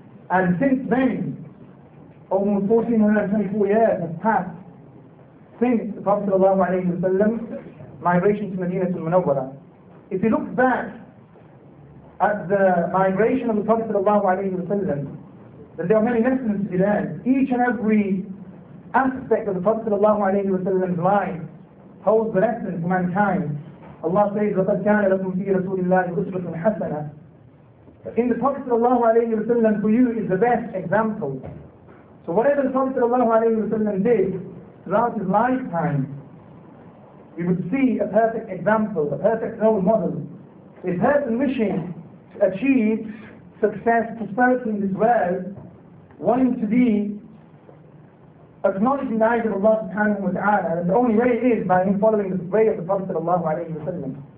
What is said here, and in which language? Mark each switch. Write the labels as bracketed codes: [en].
[en] And since then, almost 1424 years have passed since the Prophet sallallahu alayhi wa sallam's migration to Madinah al-Munawwarah. If you look back at the migration of the Prophet sallallahu alayhi wa sallam, then there are many lessons to be learned. Each and every aspect of the Prophet sallallahu alayhi wa sallam's life holds the lesson to mankind. [ar] Allah says, وَقَدْ كَانَ لَكُمْ فِي رَسُولِ اللَّهِ أُسْرَةٌ حَسَنَةٌ. [en] In the Prophet sallallahu alayhi wa sallam, for you is the best example. So whatever the Prophet sallallahu alayhi wa sallam did throughout his lifetime, you would see a perfect example, a perfect role model. A person wishing to achieve success, prosperity in this world, wanting to be acknowledged in the eyes of Allah subhanahu wa ta'ala, and the only way is by him following the way of the Prophet sallallahu alayhi wa sallam.